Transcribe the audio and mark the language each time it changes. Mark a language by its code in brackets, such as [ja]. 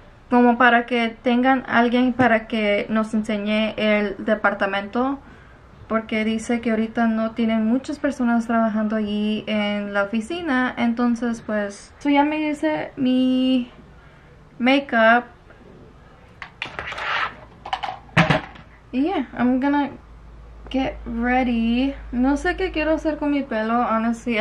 [es] Como para que tengan alguien para que nos enseñe el departamento. Porque dice que ahorita no tienen muchas personas trabajando allí en la oficina. Entonces pues, so ya me hice mi makeup. [en] Y yeah, I'm gonna get ready. [es] No sé qué quiero hacer con mi pelo, honestly.